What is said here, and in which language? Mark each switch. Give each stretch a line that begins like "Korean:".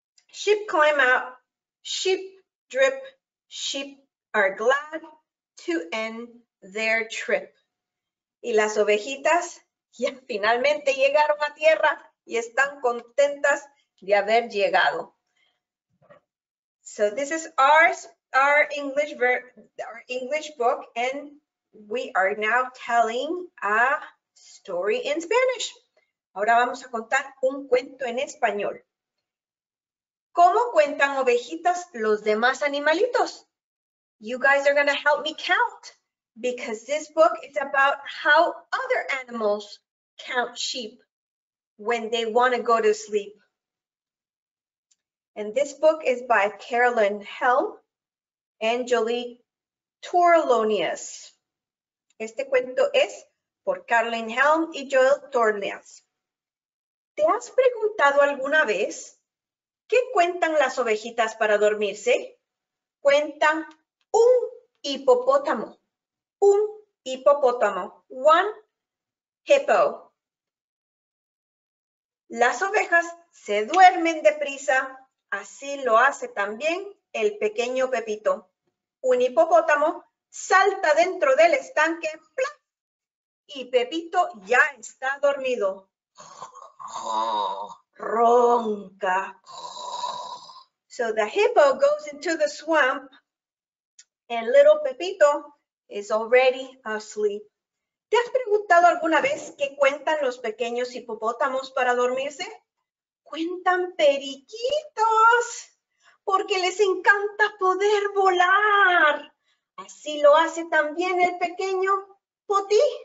English: Sheep climb out. Sheep drip. Sheep are glad to end their trip.
Spanish: Y las ovejitas ya finalmente llegaron a tierra y están contentas de haber llegado.
English: So this is our English book, and we are now telling a story in Spanish.
Spanish: Ahora vamos a contar un cuento en español. ¿Cómo cuentan ovejitas los demás animalitos?
English: You guys are going to help me count, because this book is about how other animals count sheep when they want to go to sleep. And this book is by Carolyn Helm and Jolie Torlonius.
Spanish: Este cuento es por Carolyn Helm y Joel Torlonius. ¿Te has preguntado alguna vez qué cuentan las ovejitas para dormirse? Cuentan un hipopótamo. Un hipopótamo.
English: One hippo.
Spanish: Las ovejas se duermen deprisa. Así lo hace también el pequeño Pepito. Un hipopótamo salta dentro del estanque, ¡plum! Y Pepito ya está dormido. Ronca.
English: So the hippo goes into the swamp and little Pepito is already asleep.
Spanish: ¿Te has preguntado alguna vez qué cuentan los pequeños hipopótamos para dormirse? Cuentan periquitos. Porque les encanta poder volar. Así lo hace también el pequeño Potí.